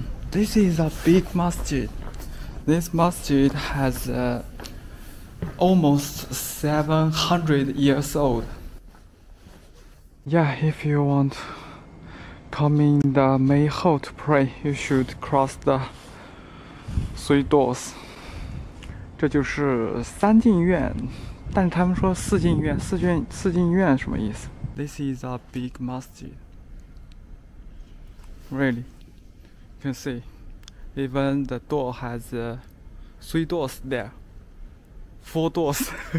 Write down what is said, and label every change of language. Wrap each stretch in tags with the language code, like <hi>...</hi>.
<en>This is a big masjid. This masjid has almost 700 years old. Yeah, if you want come in the main hall to pray, you should cross the three doors.</en> <zh>这就是三进院，但是他们说四进院，四进院什么意思？</zh> <en>This is a big masjid. Really? You can see, even the door has three doors there, four doors.</en>